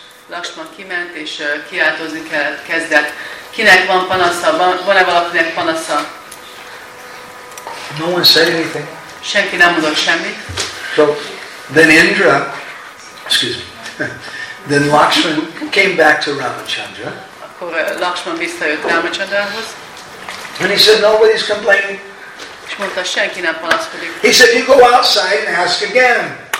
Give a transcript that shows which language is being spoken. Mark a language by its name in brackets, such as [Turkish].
[Hungarian] Lakshman kiment és kiáltozni kezdett. Kinek van panasza? Van-e valakinek panasza? [English] No one said anything. [Hungarian] Senki nem mondott semmit. [English] So then Indra, excuse me, then Lakshman came back to Ramachandra. [Hungarian] Akkor Lakshman visszajött Ramachandrahoz. [English] And he said, nobody's complaining. [Hungarian] Mondta, senki nem panaszkodik. [English] He said, you go outside and ask again.